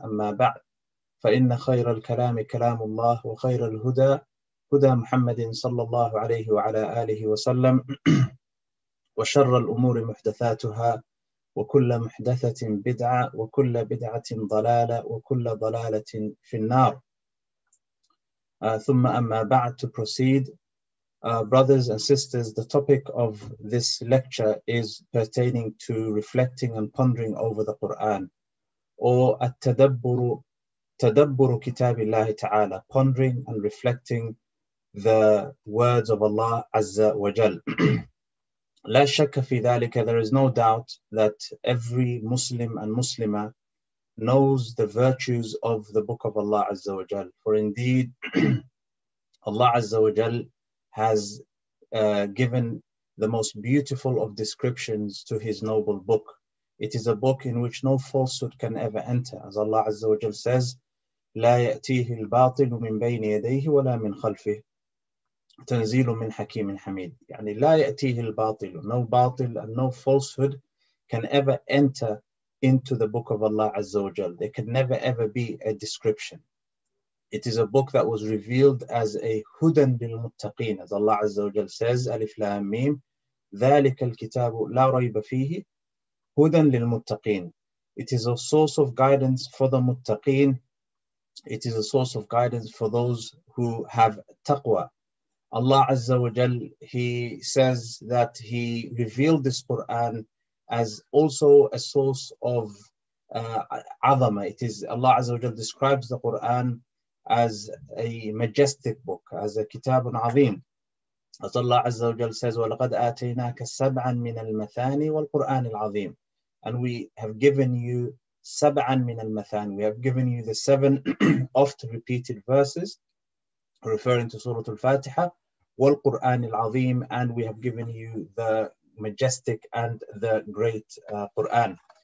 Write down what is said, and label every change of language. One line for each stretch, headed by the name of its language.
Arabic: أما بعد، فإن خير الكلام كلام الله وخير الهدى هدى محمد صلى الله عليه وعلى آله وسلم، وشر الأمور محدثاتها، وكل محدثة بدعة، وكل بدعة ضلالة، وكل ضلالة في النار. ثم أما بعد،
English: to proceed, brothers and sisters, the topic of this lecture is pertaining to reflecting and pondering over the Quran, or
Arabic: التدبر, تدبر كتاب الله تعالى,
English: pondering and reflecting the words of Allah Azza wa Jal.
Arabic: لا شك في ذلك,
English: there is no doubt that every Muslim and Muslima knows the virtues of the Book of Allah Azza wa Jal. For indeed, Allah Azza wa Jal has given the most beautiful of descriptions to His noble Book. It is a book in which no falsehood can ever enter. As Allah Azza wa Jal says,
Arabic: لا يأتيه الباطل من بين يديه ولا من خلفه تنزيل من حكيم حميد. يعني لا يأتيه الباطل,
English: no باطل and no falsehood can ever enter into the book of Allah Azza wa Jal. There can never ever be a description. It is a book that was revealed as a
Arabic: hudan lil muttaqin,
English: as Allah Azza wa Jal says, alif lam mim,
Arabic: ذلك الكتاب لا ريب فيه
English: hudan lil muttaqin. It is a source of guidance for the muttaqin. It is a source of guidance for those who have taqwa. Allah Azza wa Jal, He says that He revealed this Quran as also a source of azama. It is Allah Azza wa Jal describes the Quran as a majestic book, as a kitabun azim. As Allah Azza wa Jal says,
Arabic: وَلَقَدْ آتَيْنَاكَ سَبْعًا مِنَ الْمَثَانِ وَالْقُرْآنِ الْعَظِيمِ.
English: And we have given you
Arabic: سَبْعًا مِنَ الْمَثَانِ.
English: We have given you the seven oft repeated verses, referring to Surah Al-Fatiha,
Arabic: وَالْقُرْآنِ الْعَظِيمِ,
English: and we have given you the majestic and the great Qur'an.